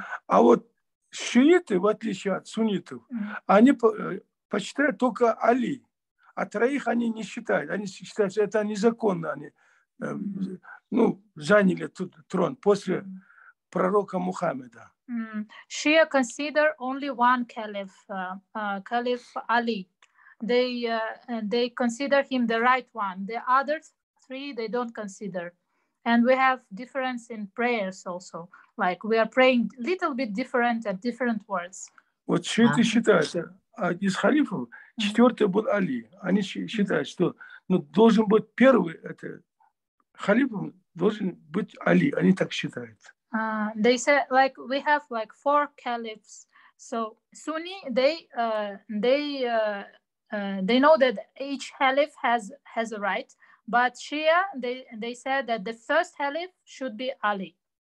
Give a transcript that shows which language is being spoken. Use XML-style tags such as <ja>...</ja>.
<ru>А вот шииты, в отличие от суннитов, они почитают только Али. А троих они не считают. Они считают, что это незаконно. Они ну, заняли тут трон после пророка Мухаммеда.</ru> <en>Shia consider only one caliph, caliph Ali. They consider him the right one. The others three, they don't consider. And we have difference in prayers also. Like we are praying a little bit different at different words.</en> <ru>Вот шииты считают, из халифов четвертый был Али. Они считают, что ну, должен быть первый, это халифом должен быть Али. Они так считают.</ru> <en>They said like we have like four caliphs. So Sunni, they know that each caliph has a right, but Shia, they said that the first caliph should be Ali.</en>